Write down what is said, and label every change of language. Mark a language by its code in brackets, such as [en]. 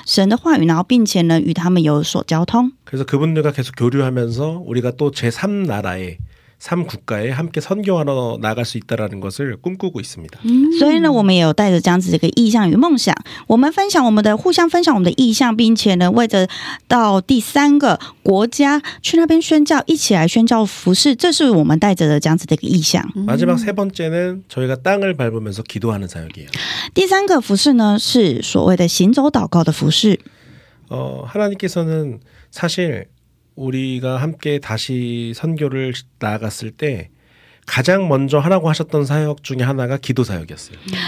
[zh] 就是呢，我们去到当地，然后并且与当地的侍奉者与那一些的我们的牧者们，或者是当地的弟兄姐妹们来分享神的话语，然后并且呢与他们有所交通。 [ko] 그래서 그분들과 계속 교류하면서 우리가 또 제3 나라에 삼 국가에 함께 선교하러 나갈 수 있다라는 것을 꿈꾸고 있습니다. [zh] 所以呢，我们也有带着这样子的一个意向与梦想，我们分享我们的互相分享我们的意向，并且呢，为着到第三个国家去那边宣教，一起来宣教服事，这是我们带着的这样子的一个意向。 [ko] 마지막 세 번째는 저희가 땅을 밟으면서 기도하는 사역이에요. [zh] 第三个服事呢，是所谓的行走祷告的服事。 [ko] 하나님께서는 사실 우리가 함께 다시 선교를 나아갔을 때 가장 먼저 하라고 하셨던 사역 중에 하나가 기도 사역이었어요.